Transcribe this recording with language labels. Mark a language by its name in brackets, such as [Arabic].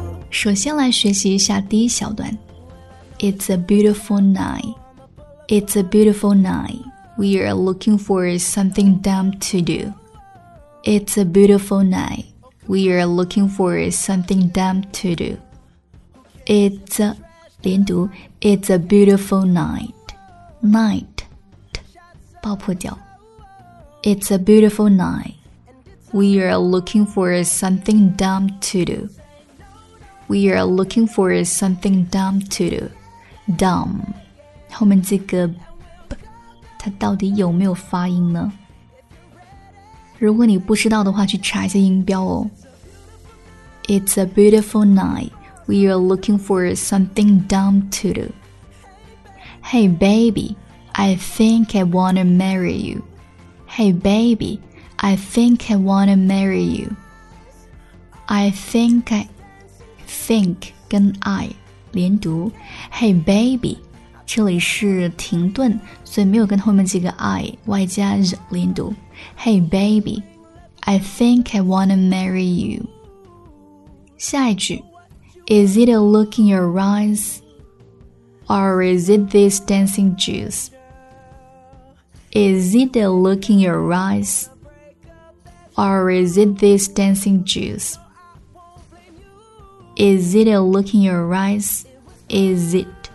[Chinese] 首先来学习一下第一小段。 [English] It's a beautiful night, It's a beautiful night, We are looking for something dumb to do, It's a beautiful night, We are looking for something dumb to do, It's a [Chinese] 连读 [English] It's a beautiful night, Night [Chinese] 爆破掉 [English] It's a beautiful night, We are looking for something dumb to doWe are looking for something dumb to do. Dumb. [Chinese] 后面这个 b 它到底有没有发音呢？如果你不知道的话，去查一下音标哦。 [English] It's a beautiful night. We are looking for something dumb to do. Hey, baby, I think I wanna marry you. Hey, baby, I think I wanna marry you. [Chinese] I think 跟 I 连读 [English] Hey baby， [Chinese] 这里是停顿，所以没有跟后面这个 I 外加 z 连读。 [English] Hey baby， I think I wanna marry you。 [Chinese] 下一句 [English] Is it a look in your eyes or is it this dancing juice？ Is it a look in your eyes or is it this dancing juiceIs it a look in your eyes? Is it?